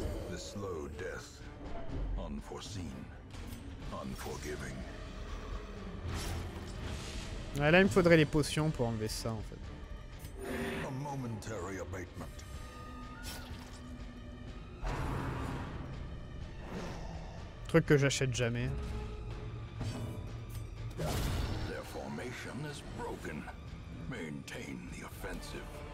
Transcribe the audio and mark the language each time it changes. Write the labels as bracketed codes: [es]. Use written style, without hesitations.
[en] The slow death, unforeseen, unforgiving. [fr] Ouais, là, il me faudrait les potions pour enlever ça, en fait. [en] A momentary abatement. [fr] Truc que j'achète jamais. [en] Their formation is broken. Maintain the offensive.